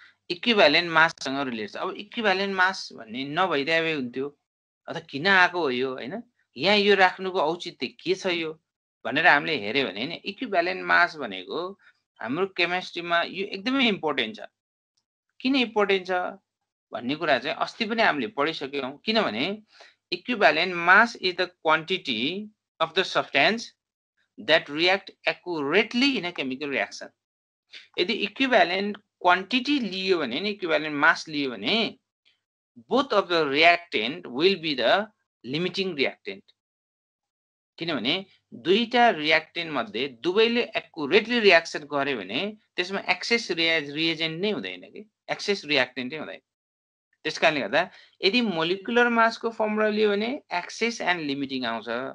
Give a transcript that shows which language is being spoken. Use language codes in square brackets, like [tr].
[ne] Equivalent माससँग relate छ अब equivalent मास भन्ने नभइदिए हुन्थ्यो अथवा किन आएको हो यो होइन यहाँ यो राख्नुको औचित्य के छ यो भनेर हामीले हेऱ्यो भने होइन इक्विभ्यालेन्ट मास भनेको हाम्रो केमिस्ट्रीमा यो एकदमै इम्पोर्टेन्ट छ किन इम्पोर्टेन्ट छ भन्ने कुरा चाहिँ अस्ति पनि हामीले पढिसक्यौँ किनभने [en] Equivalent mass is the quantity of the substance that react accurately in a chemical reaction. [ne] यदि equivalent quantity लियो भने नि equivalent mass लियो भने [en] both of the reactant will be the limiting reactant. [ne] किनभने दुईटा reactant मध्ये दुवैले accurately reaction गरे भने त्यसमा excess reagent नै हुँदैन के excess reactant नै हुँदैन. त्यसकारणले गर्दा यदि molecular mass को formula लियो भने excess and limiting आउँछ.